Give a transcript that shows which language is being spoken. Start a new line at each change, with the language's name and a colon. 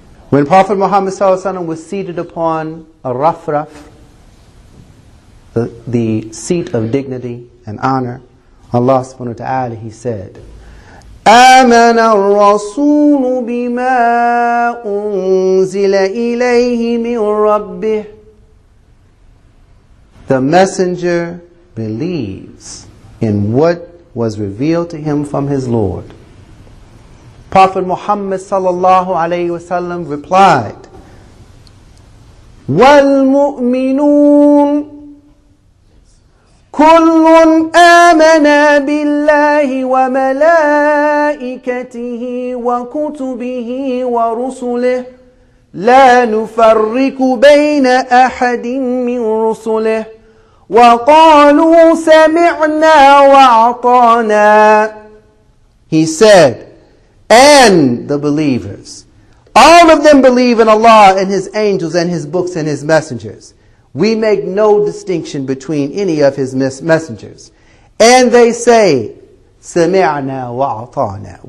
English: When Prophet Muhammad sallallahu alaihi wasallam was seated upon a rafraf, the seat of dignity and honor, Allah subhanahu wa ta'ala, he said,
Arabic: آمن الرسول بما أنزل إليه من ربه.
English: The messenger believes in what was revealed to him from his Lord. Prophet Muhammad sallallahu alayhi wasallam replied,
Arabic: والمؤمنون كل آمن بالله وملائكته وكتبه ورسله لا نفرق بين أحد من رسله وقالوا سمعنا وأطعنا.
English: He said, and the believers, all of them believe in Allah and His angels and His books and His messengers. We make no distinction between any of His messengers. And they say,
Arabic: سَمِعْنَا وَعَطَعْنَا.